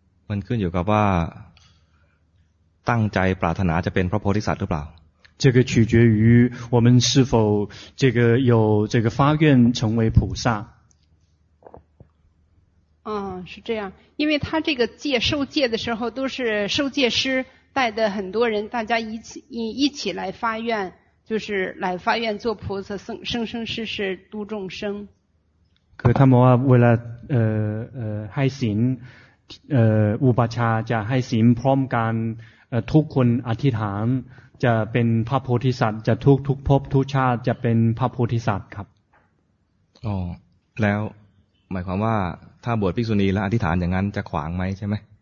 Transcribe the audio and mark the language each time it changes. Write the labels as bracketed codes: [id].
[th] มันขึ้นอยู่กับว่าตั้งใจปรารถนาจะเป็นพระโพธิสัตว์หรือเปล่า [zh] 这个取决于我们是否这个有这个发愿成为菩萨。嗯，是这样，因为他这个戒受戒的时候都是受戒师带的很多人，大家一起来发愿，就是来发愿做菩萨，生生世世度众生。 [th] 그 [zh] 他们为了 [th] ให้ศีลอุปัชฌาย์จะให้ศีลพร้อมกันทุกคนอธิษฐานจะเป็นพระโพธิสัตว์จะทุกภพทุกชาติจะเป็นพระโพธิสัตว์ครับ อ๋อแล้วหมายความว่าถ้าบวชภิกษุณีแล้วอธิษฐานอย่างนั้นจะขวางไหมใช่ไหม